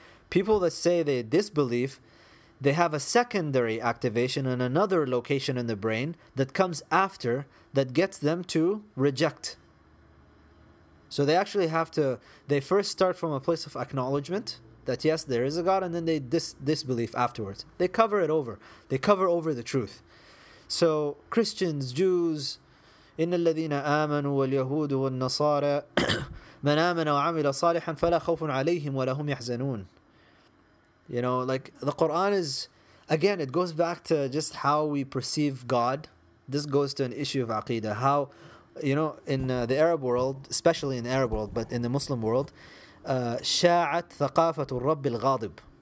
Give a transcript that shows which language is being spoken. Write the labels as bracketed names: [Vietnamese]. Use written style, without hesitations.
[English] People that say they disbelieve, they have a secondary activation in another location in the brain that comes after that gets them to reject. So they actually have to, they first start from a place of acknowledgement, that yes, there is a God, and then they disbelief afterwards. They cover it over. They cover over the truth. So Christians, Jews, [Arabic] إِنَّ الَّذِينَ آمَنُوا وَالْيَهُودُ وَالنَّصَارَى مَنْ آمَنَ وَعَمِلَ صَالِحًا فَلَا خَوْفٌ عَلَيْهِمْ وَلَا هُمْ يَحْزَنُونَ. [English] You know, like, the Quran is, again, it goes back to just how we perceive God. This goes to an issue of aqidah. How, you know, in the Arab world, especially in the Arab world, but in the Muslim world, [Arabic] شاعت ثقافة الرب الغاضب.